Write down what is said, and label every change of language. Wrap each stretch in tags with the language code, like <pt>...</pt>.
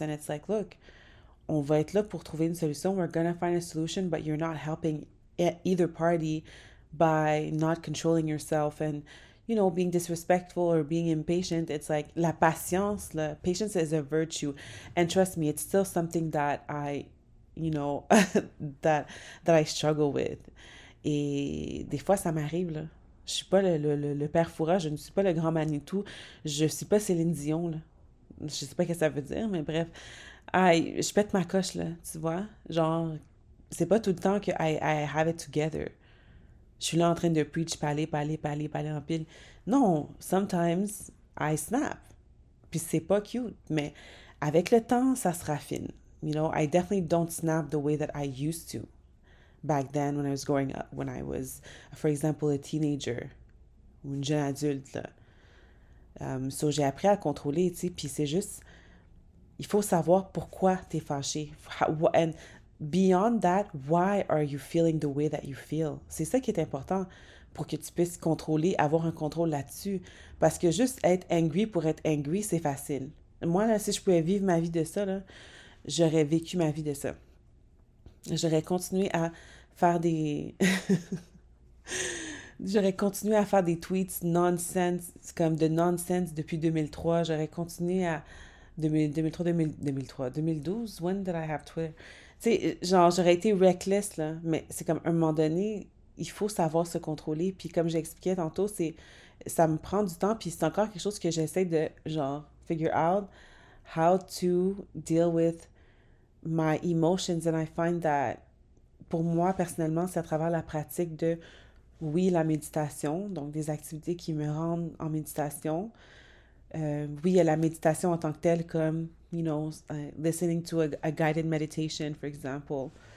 <en>And it's like, look,</en> <fr>on va être là pour trouver une solution.</fr> <en>We're gonna find a solution, but you're not helping either party by not controlling yourself. And, you know, being disrespectful or being impatient, it's like</en> <fr>la patience, la patience</fr> <en>is a virtue. And trust me, it's still something that I, you know, that I struggle with.</en> <fr>Et des fois, ça m'arrive, là. Je suis pas le père fourage, je ne suis pas le grand Manitou, je suis pas Céline Dion, là. Je sais pas ce que ça veut dire, mais bref. Aïe, je pète ma coche, là, tu vois? Genre, c'est pas tout le temps que</fr> <en>I have it together.</en> <fr>Je suis là en train de preach, parler, parler, parler, parler en pile. Non,</fr> <en>sometimes I snap.</en> <fr>Puis c'est pas cute, mais avec le temps, ça se raffine.</fr> <en>You know, I definitely don't snap the way that I used to back then when I was growing up, when I was, for example, a teenager</en> <fr>ou une jeune adulte, là. So j'ai appris à contrôler, tu sais. Puis c'est juste, il faut savoir pourquoi t'es fâché.</fr> <en>And beyond that, why are you feeling the way that you feel?</en> <fr>C'est ça qui est important pour que tu puisses contrôler, avoir un contrôle là-dessus. Parce que juste être angry pour être angry, c'est facile. Moi, là, si je pouvais vivre ma vie de ça, là, j'aurais vécu ma vie de ça. J'aurais continué à faire des. J'aurais continué à faire des tweets nonsense, comme de nonsense depuis 2003. J'aurais continué à.</fr> <en>2003, 2000, 2003, 2012, when did I have Twitter?</en> <fr>T'sais, genre, j'aurais été reckless, là, mais c'est comme à un moment donné, il faut savoir se contrôler. Puis, comme j'expliquais tantôt, ça me prend du temps. Puis, c'est encore quelque chose que j'essaie de, genre,</fr> <en>figure out how to deal with my emotions. And I find that,</en> <fr>pour moi, personnellement, c'est à travers la pratique de, oui, la méditation, donc des activités qui me rendent en méditation. Oui, il y a la méditation en tant que telle, comme.</fr> <en>You know, listening to a guided meditation, for example.</en>